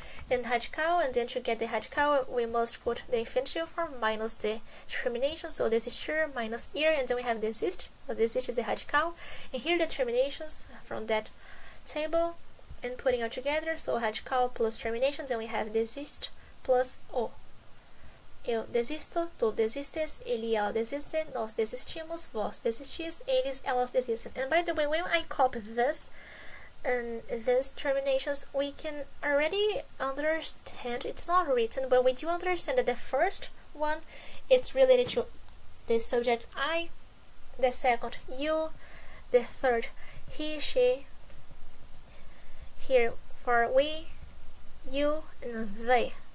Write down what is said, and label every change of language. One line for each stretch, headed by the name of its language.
English: In radical, and then to get the radical, we must put the infinitive form minus the termination. So this is here minus ear, and then we have this is. So this is the radical, and here the terminations from that table, and putting it together. So radical plus termination, then we have desist plus o.
Portuguese: Eu desisto, tu desistes, ele e ela desiste, nós desistimos, vós desistis, eles, elas desistem.
English: And by the way, when I copy this and these terminations, we can already understand, it's not written, but we do understand that the first one, it's related to the subject I, the second you, the third he, she, here for we, you, and they.